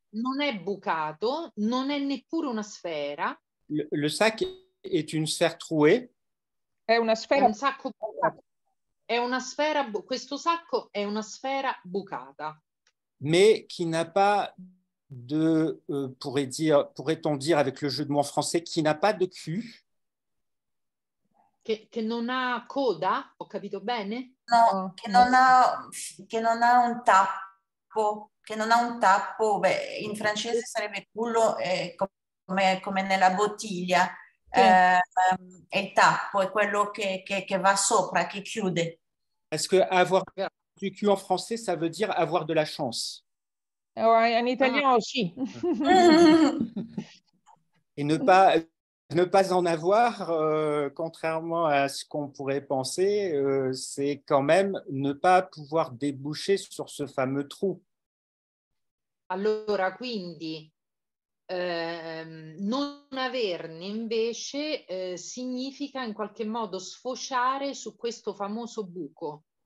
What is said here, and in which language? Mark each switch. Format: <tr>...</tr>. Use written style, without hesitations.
<it>non è bucato, non è neppure una sfera.</it> <fr>Le sac</fr> <it>è una sfera</it> <fr>trouée.</fr> <it>È una sfera. Questo sacco è una sfera bucata.</it> <fr>Mais qui n'a pas de pourrait-on dire avec le jeu de mots français qui n'a pas de cul.</fr> <it>Che non ha coda, ho capito bene? No, che non ha un tappo, che non ha un tappo, beh, in francese sarebbe culo, come nella bottiglia, sì. È il tappo, è quello che va sopra, che chiude.</it> <fr>Parce que avoir du cul en français, ça veut dire avoir de la chance.</fr> <it>En italiano, sì.</it> <fr>Et ne pas en avoir, contrairement à ce qu'on pourrait penser, c'est quand même ne pas pouvoir déboucher sur ce fameux trou.</fr> <it>Allora, quindi, non averne invece significa in qualche modo sfociare su questo famoso buco.</it>